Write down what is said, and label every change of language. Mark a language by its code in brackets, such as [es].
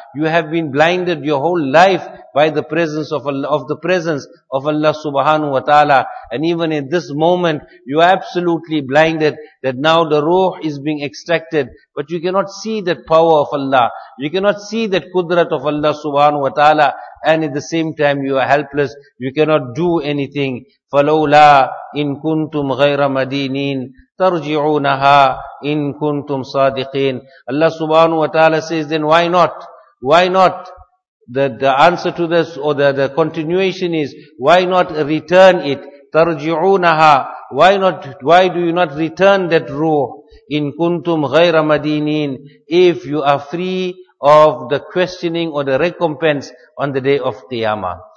[en] You have been blinded your whole life by the presence of Allah, of the presence of Allah subhanahu wa ta'ala. And even in this moment, you are absolutely blinded that now the ruh is being extracted. But you cannot see that power of Allah. You cannot see that kudrat of Allah subhanahu wa ta'ala. And at the same time, you are helpless. You cannot do anything. [ar] فَلَوْلَا إِن كُنْتُمْ غَيْرَ مَدِينِينَ تَرْجِعُونَهَا إِن كُنْتُمْ صَادِقِينَ [en] Allah subhanahu wa ta'ala says, then why not? Why not? The answer to this, or the continuation is, why not return it? تَرْجِعُونَهَا Why not? Why do you not return that ruh? [ar] إِن كُنْتُمْ غَيْرَ مَدِينِينَ [en] If you are free of the questioning or the recompense on the day of Qiyamah.